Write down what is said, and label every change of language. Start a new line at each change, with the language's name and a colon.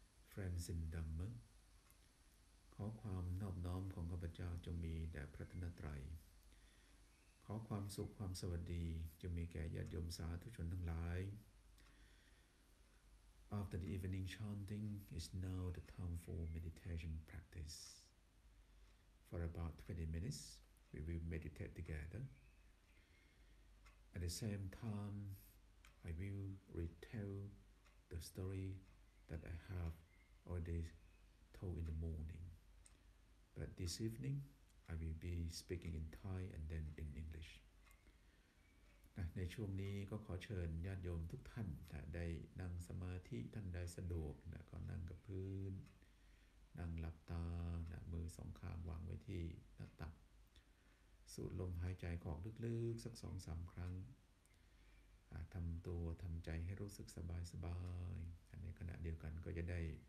English: Friends in Dhamma
Thai: ขอความนอบน้อมของข้าพเจ้าจงมีแด่พระรัตนตรัยขอความสุขความสวัสดีจงมีแก่ญาติโยมสาธุชนทั้งหลาย
English: After the evening chanting is now the time for meditation practice for about 20 minutesWe will meditate together. At the same time, I will retell the story that I have already told in the morning. But this evening, I will speaking in Thai and then in English
Thai: นะในช่วงนี้ก็ขอเชิญญาติโยมทุกท่านนะได้นั่งสมาธิท่านใดสะดวกนะก็นั่งกับพื้นนั่งหลับตานะมือสองข้างวางไว้ที่หน้าตักสูดลมหายใจของลึกๆสัก 2-3 ครั้งทำตัวทำใจให้รู้สึกสบายๆในขณะเดียวกันก็จะได้